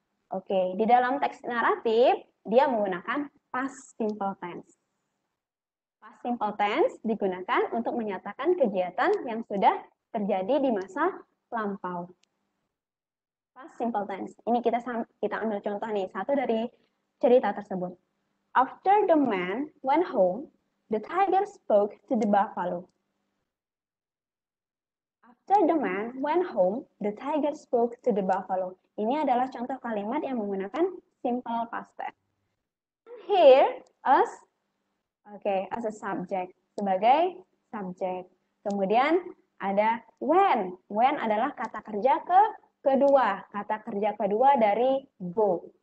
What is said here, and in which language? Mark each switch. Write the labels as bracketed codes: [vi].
[id] Oke, di dalam teks naratif dia menggunakan past simple tense. Past simple tense digunakan untuk menyatakan kegiatan yang sudah terjadi di masa lampau. Past simple tense. Ini kita ambil contoh nih, satu dari cerita tersebut. [en] After the man went home, the tiger spoke to the buffalo. After the man went home, the tiger spoke to the buffalo. [id] Ini adalah contoh kalimat yang menggunakan simple past tense. [en] Here as as a subject, [id] sebagai subjek. Kemudian ada when. When adalah kata kerja kedua. Kata kerja kedua dari go.